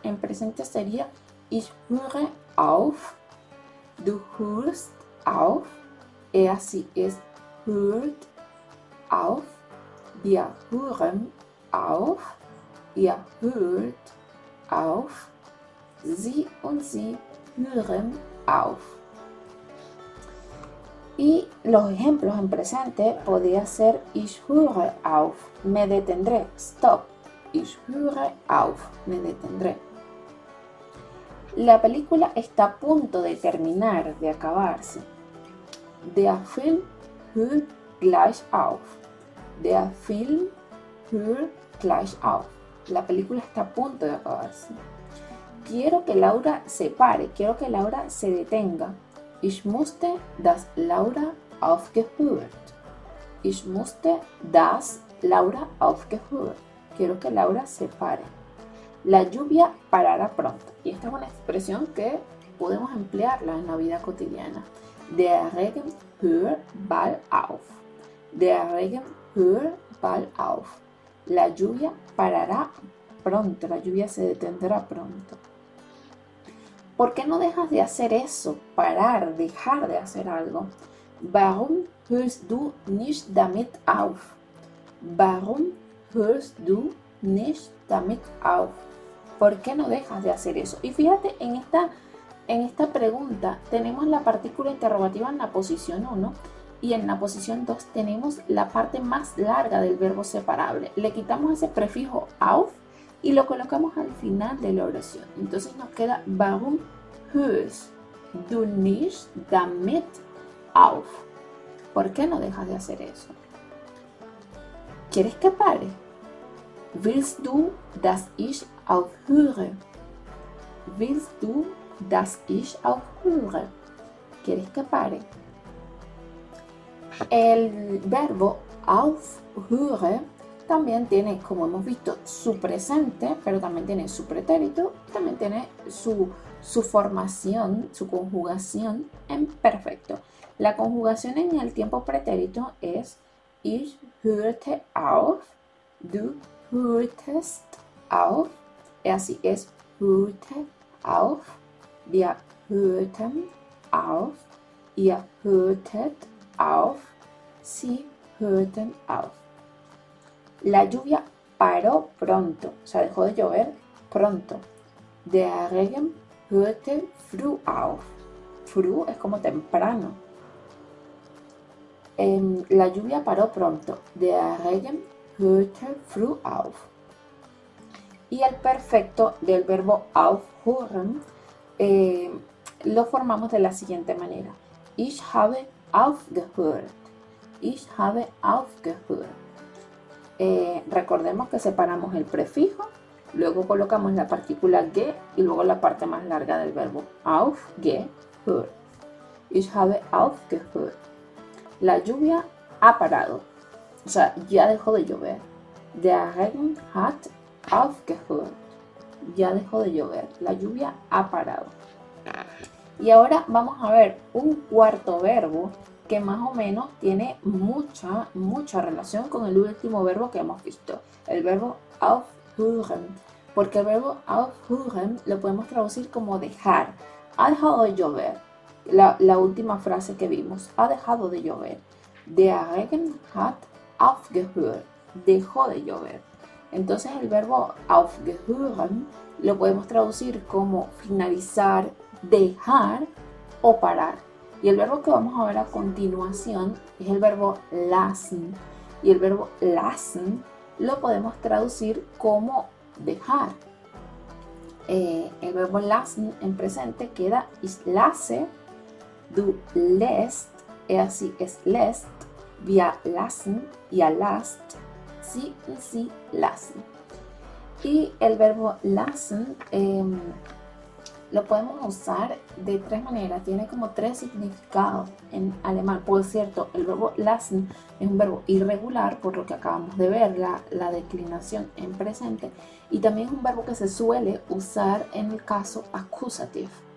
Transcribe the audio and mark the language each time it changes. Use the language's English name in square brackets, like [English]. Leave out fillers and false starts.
[Spanish] En presente sería [German] ich höre auf, du hörst auf, [Spanish] y así es [German] hört auf, wir hören auf, ihr hört auf, sie und sie hören auf. [Spanish] Y los ejemplos en presente podría ser [German] ich höre auf, [Spanish] me detendré, stop. [German] Ich höre auf, [Spanish] me detendré. La película está a punto de terminar, de acabarse. [German] Der Film hört gleich auf. Der Film hört gleich auf. [Spanish] La película está a punto de acabarse. Quiero que Laura se pare, quiero que Laura se detenga. [German] Ich musste das Laura aufgehört. Ich musste das Laura aufgehört. [Spanish] Quiero que Laura se pare. La lluvia parará pronto. Y esta es una expresión que podemos emplearla en la vida cotidiana. [German] Der Regen hört bald auf. Der Regen hört bald auf. [Spanish] La lluvia parará pronto. La lluvia se detendrá pronto. ¿Por qué no dejas de hacer eso? Parar, dejar de hacer algo. [German] Warum hörst du nicht damit auf? Warum hörst du nicht damit auf? [Spanish] ¿Por qué no dejas de hacer eso? Y fíjate, en esta pregunta tenemos la partícula interrogativa en la posición 1 y en la posición 2 tenemos la parte más larga del verbo separable. Le quitamos ese prefijo auf y lo colocamos al final de la oración. Entonces nos queda [German] Warum hörst du nicht damit auf? [Spanish] ¿Por qué no dejas de hacer eso? ¿Quieres que pare? [German] Willst du, dass ich aufhöre? Willst du, dass ich aufhöre? [Spanish] ¿Quieres que pare? El verbo aufhöre también tiene, como hemos visto, su presente, pero también tiene su pretérito, también tiene su formación, su conjugación en perfecto. La conjugación en el tiempo pretérito es [German] ich hörte auf, du Hörtest auf, [Spanish] y así es, [German] hörte auf, wir hörten auf, ihr hörtet auf, sie hörten auf. [Spanish] La lluvia paró pronto, o sea, dejó de llover pronto. [German] Der Regen hörte früh auf. Früh [Spanish] es como temprano. La lluvia paró pronto. [German] Der Regen hörte früh auf. [Spanish] Y el perfecto del verbo aufhören lo formamos de la siguiente manera. [German] Ich habe aufgehört. Ich habe aufgehört. [Spanish] Recordemos que separamos el prefijo, luego colocamos la partícula ge y luego la parte más larga del verbo aufgehört. [German] Ich habe aufgehört. [Spanish] La lluvia ha parado. O sea, ya dejó de llover. [German] Der Regen hat aufgehört. [Spanish] Ya dejó de llover. La lluvia ha parado. Y ahora vamos a ver un cuarto verbo que más o menos tiene mucha, mucha relación con el último verbo que hemos visto, el verbo aufhören. Porque el verbo aufhören lo podemos traducir como dejar. Ha dejado de llover. La última frase que vimos, ha dejado de llover. [German] Der Regen hat aufgehört. [Spanish] Dejó de llover. Entonces el verbo aufgehören lo podemos traducir como finalizar, dejar o parar. Y el verbo que vamos a ver a continuación es el verbo lassen. Y el verbo lassen lo podemos traducir como dejar. El verbo lassen en presente queda [German] ist lasse, du lässt, es así, es lässt, wir lassen, ihr lasst, sie lassen. [Spanish] Y el verbo lassen lo podemos usar de tres maneras, tiene como tres significados en alemán. Por cierto, el verbo lassen es un verbo irregular, por lo que acabamos de ver la declinación en presente, y también es un verbo que se suele usar en el caso acusativo.